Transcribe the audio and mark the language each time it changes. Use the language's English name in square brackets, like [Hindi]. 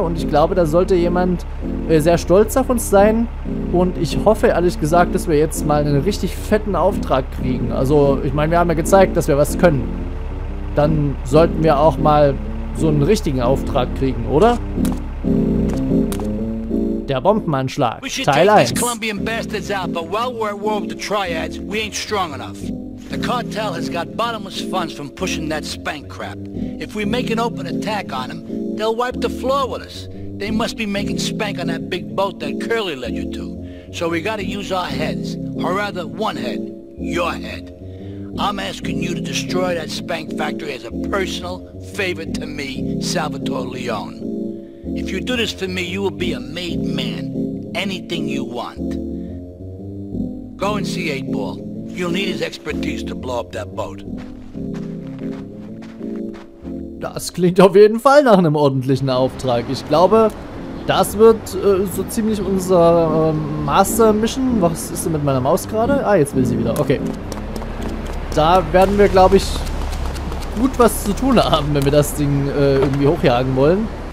[German] Und ich glaube, da sollte jemand sehr stolz auf uns sein. Und ich hoffe ehrlich gesagt, dass wir jetzt mal einen richtig fetten Auftrag kriegen. Also ich meine, wir haben ja gezeigt, dass wir was können. Dann sollten wir auch mal so einen richtigen Auftrag kriegen, oder? Der Bombenanschlag, Teil 1. [English] These Colombian bastards out, but while we're at war with the triads, we ain't strong enough. The cartel has got bottomless funds from pushing that spank crap. If we make an open attack on them, they'll wipe the floor with us. They must be making spank on that big boat that Curly led you to. So we gotta use our heads, or rather one head, your head. I'm asking you to destroy that spank factory as a personal favor to me, Salvatore Leone. If you do this for me, you will be a made man. Anything you want. Go and see 8-Ball. You'll need his expertise to blow up that boat. [German] Das klingt auf jeden Fall nach einem ordentlichen Auftrag. Ich glaube, das wird so ziemlich unser Master Mission. Was ist denn mit meiner Maus gerade? Ah, jetzt will sie wieder. Okay. Da werden wir, glaube ich, gut was zu tun haben, wenn wir das Ding irgendwie hochjagen wollen.